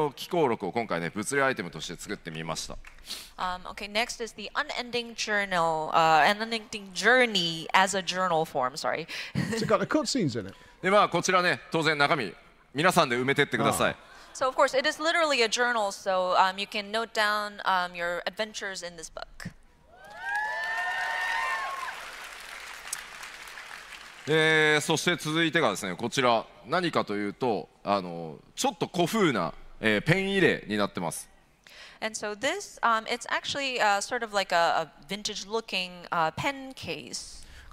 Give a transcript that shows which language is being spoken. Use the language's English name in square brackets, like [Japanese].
[Japanese] そして、光の戦士たちが冒険で使ってる愛用の機構録を今回物理アイテムとして作ってみました。 [English] Okay, next is the unending journal, unending journey as a journal form, sorry. It's got the cutscenes in it. [Japanese] でまあこちらね、当然中身皆さんで埋めてってください。 [English] So of course, it is literally a journal, so you can note down your adventures in this book. [Japanese] そして続いてがですね、こちら何かというと、ちょっと古風なペン入れになってます。 [English] And so this, it's actually sort of like a vintage-looking pen case.